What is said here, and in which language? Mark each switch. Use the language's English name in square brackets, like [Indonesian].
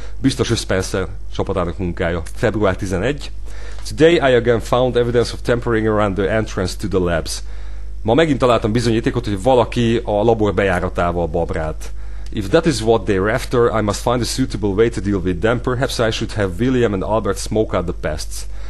[Hungarian] Biztos, hogy Spencer csapatának munkája. Február 11. [English] Today I again found evidence of tampering around the entrance to the labs. [Hungarian] Ma megint találtam bizonyítékot, hogy valaki a labor bejáratával babrált. [English] If that is what they're after, I must find a suitable way to deal with them. Perhaps I should have William and Albert smoke out the pests.